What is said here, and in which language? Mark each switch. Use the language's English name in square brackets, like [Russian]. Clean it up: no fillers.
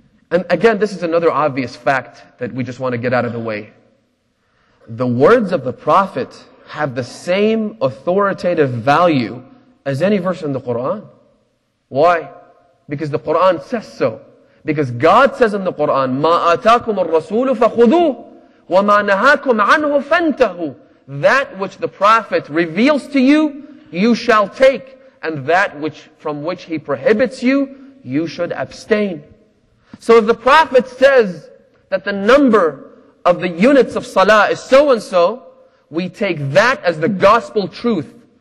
[English] And again, this is another obvious fact that we just want to get out of the way. The words of the Prophet have the same authoritative value as any verse in the Quran. Why? Because the Quran says so. Because God says in the Quran, [Arabic] مَا أَتَاكُمُ الرَّسُولُ فَخُذُوهُ وَمَا نَهَاكُمْ عَنْهُ فَانْتَهُ. [English] That which the Prophet reveals to you, you shall take. And that which from which he prohibits you, you should abstain. So if the Prophet says that the number of the units of salah is so and so, we take that as the gospel truth.